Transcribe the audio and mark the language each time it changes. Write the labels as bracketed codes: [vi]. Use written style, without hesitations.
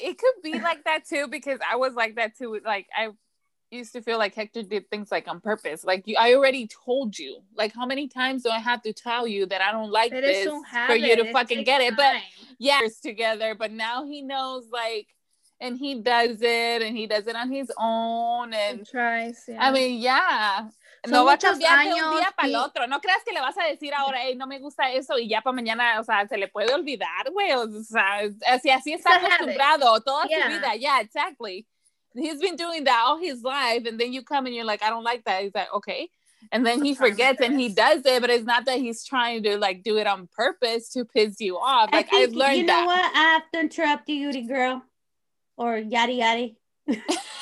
[en] It could be like that too, because I was like that too. Like, I used to feel like Hector did things like on purpose. Like, I already told you. Like, how many times do I have to tell you that I don't like this for you to fucking get it? But yeah, we're together. But now he knows, like, and he does it, and he does it on his own. And tries, yeah. I mean, yeah. [es] No va a cambiar de un día para el otro. No creas que le vas a decir ahora, hey, no me gusta eso, y ya para mañana, o sea, se le puede olvidar, güey. O sea, así está acostumbrado toda su vida. [en] Yeah, exactly. He's been doing that all his life, and then you come and you're like, I don't like that. He's like, okay. And then he forgets and he does it, but it's not that he's trying to like do it on purpose to piss you off. Like, I've learned that. You know what? I have to interrupt you, Yuri girl. Or yaddy yaddy.